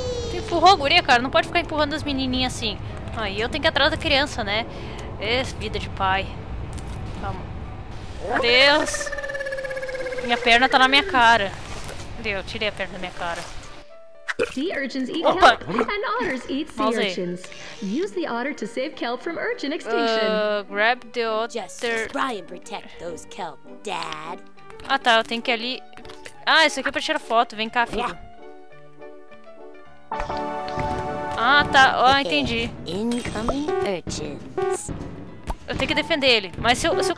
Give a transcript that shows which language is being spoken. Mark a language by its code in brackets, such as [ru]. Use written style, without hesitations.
[pt] Tu empurrou a guria, cara? Não pode ficar empurrando as menininhas assim. Aí eu tenho que ir atrás da criança, né? Vida de pai. Calma. Deus. Minha perna tá na minha cara. Deu, tirei a perna da minha cara. [en] Sea urchins eat kelp and otters eat sea urchins. Use the otter to save kelp from urchin extinction. Grab the otter. Just try and protect those kelp, Dad. [pt] Ah, tá, eu tenho que ir ali. Ah, isso aqui é pra tirar foto, vem cá, filho. Ah, tá, ó, oh, entendi. [en] Incoming urchins. [pt] Eu tenho que defender ele, mas se eu...